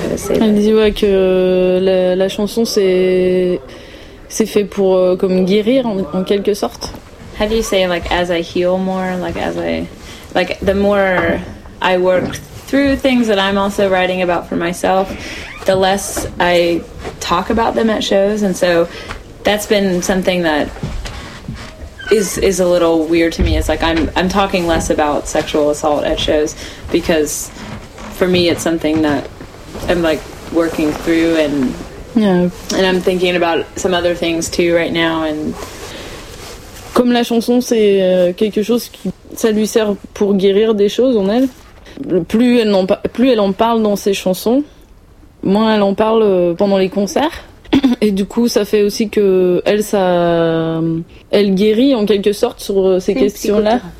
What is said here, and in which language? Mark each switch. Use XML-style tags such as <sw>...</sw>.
<fr>Elle dit que la chanson, c'est fait pour comme guérir en quelque sorte.</fr> <en>How do you say, like, as I heal more, like, as I, like, the more I work through things that I'm also writing about for myself, the less I talk about them at shows. And so that's been something that is a little weird to me. It's like I'm talking less about sexual assault at shows, because for me it's something that I'm like working through, and and I'm thinking about some other things too right now. And</en> <fr>comme la chanson, c'est quelque chose qui ça lui sert pour guérir des choses en elle. Plus elle en parle dans ses chansons, moins elle en parle pendant les concerts. Et du coup, ça fait aussi que elle guérit en quelque sorte sur ces questions-là.</fr>